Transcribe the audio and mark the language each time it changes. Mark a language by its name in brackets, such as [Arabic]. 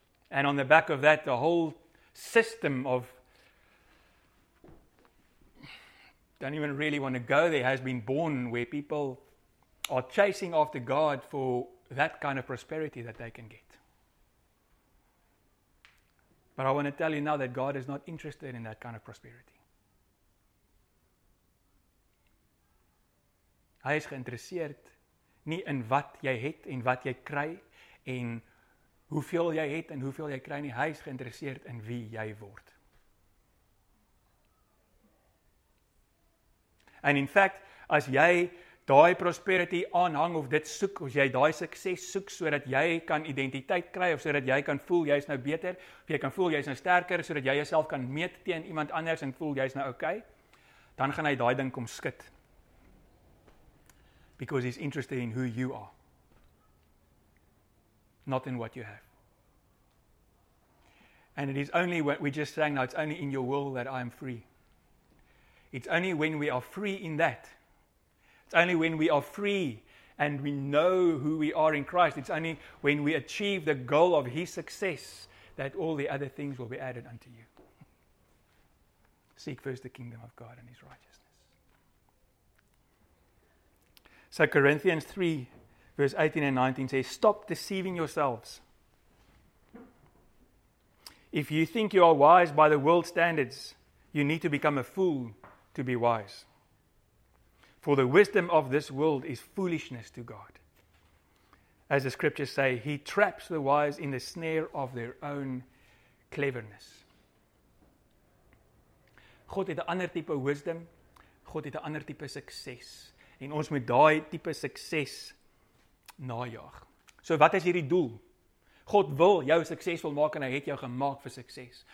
[English] And on the back of that, the whole system of don't even really want to go there, has been born where people are chasing after God for that kind of prosperity that they can get. But I want to tell you now that God is not interested in that kind of prosperity. [Afrikaans] Hy is geïnteresseerd nie in wat jy het en wat jy kry en hoeveel jy het en hoeveel jy kry nie. Hy is geïnteresseerd in wie jy word. [English] And in fact, [Afrikaans] as jy daai prosperity aanhang of dit soek, as jy daai sukses soek sodat jy kan identiteit kry of sodat jy kan voel jy is nou beter, of jy kan voel jy is nou sterker sodat jy jouself kan meet teen iemand anders en voel jy is nou okay, dan gaan hy daai ding kom skit. [English] Because he's interested in who you are, not in what you have. And it is only what we just sang now, it's only in your will that I am free. It's only when we are free in that. It's only when we are free and we know who we are in Christ. It's only when we achieve the goal of his success that all the other things will be added unto you. Seek first the kingdom of God and his righteousness. So Corinthians 3 verse 18 and 19 says, stop deceiving yourselves. If you think you are wise by the world standards, you need to become a fool to be wise. For the wisdom of this world is foolishness to God. As the scriptures say, he traps the wise in the snare of their own cleverness. [Afrikaans] God het 'n ander tipe wisdom. God het 'n ander tipe sukses. En ons moet daai tipe sukses najaag. So wat is hierdie doel? God wil jou suksesvol maak en hy het jou gemaak vir sukses.